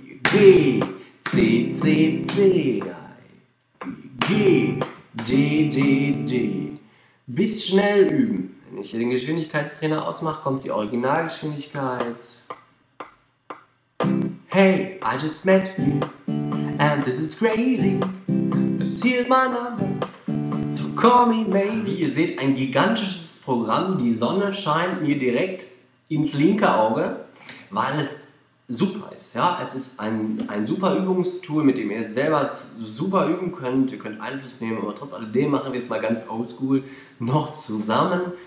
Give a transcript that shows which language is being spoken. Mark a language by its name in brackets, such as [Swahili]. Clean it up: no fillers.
[German] G, C, C, C, I, G, D, D, D. Bis schnell üben. Wenn ich hier den Geschwindigkeitstrainer ausmache, kommt die Originalgeschwindigkeit. [English] Hey, I just met you, and this is crazy. This is my number, so call me maybe. [German] Wie ihr seht, ein gigantisches Programm. Die Sonne scheint mir direkt ins linke Auge, weil es super ist, ja. Es ist ein super Übungstool, mit dem ihr selber super üben könnt. Ihr könnt Einfluss nehmen, aber trotz alledem machen wir es mal ganz oldschool noch zusammen.